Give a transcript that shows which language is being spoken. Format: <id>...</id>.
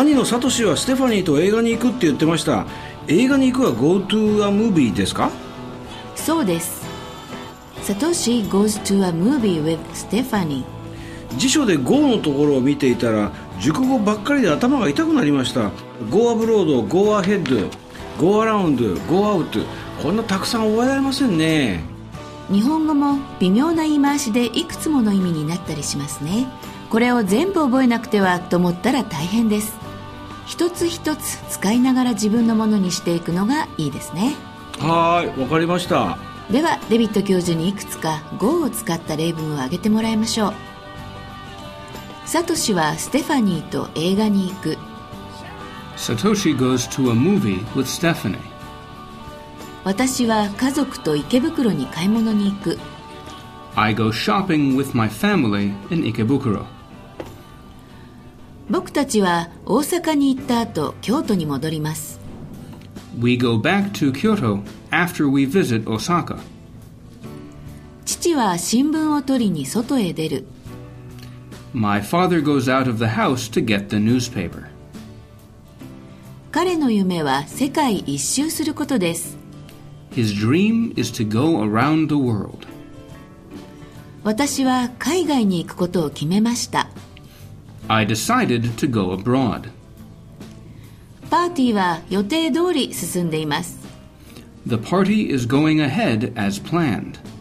<ja>兄のサトシはステファニーと映画に行くって言ってました。映画に行くは</ja> <en>Go to a movie</en> <ja>ですか？そうです。</ja> <en>サトシ goes to a movie with Stephanie。</en> <ja>辞書で Go のところを見ていたら熟語ばっかりで頭が痛くなりました。</ja> <en>Go abroad, go aheadGo around, go out、</en> <ja>こんなたくさん覚えられませんね。日本語も微妙な言い回しでいくつもの意味になったりしますね。これを全部覚えなくてはと思ったら大変です。一つ一つ使いながら自分のものにしていくのがいいですね。はい、わかりました。ではデビット教授にいくつか Go を使った例文を挙げてもらいましょう。サトシはステファニーと映画に行く。</ja> <en>Satoshi goes to a movie with Stephanie.</en> <ja>私は家族と池袋に買い物に行く。</ja> <en>I go shopping with my family in Ikebukuro.</en> <ja>僕たちは大阪に行った後京都に戻ります。</ja> <en>We go back to Kyoto after we visit Osaka.</en> <ja>父は新聞を取りに外へ出る。</ja> <en>My father goes out of the house to get the newspaper.</en> <ja>彼の夢は世界一周することです。</ja> <en>His dream is to go around the world.</en> <ja>私は海外に行くことを決めました。</ja> <en>I decided to go abroad.</en> <ja>パーティーは予定通り進んでいます。</ja> <en>The party is going ahead as planned.</en>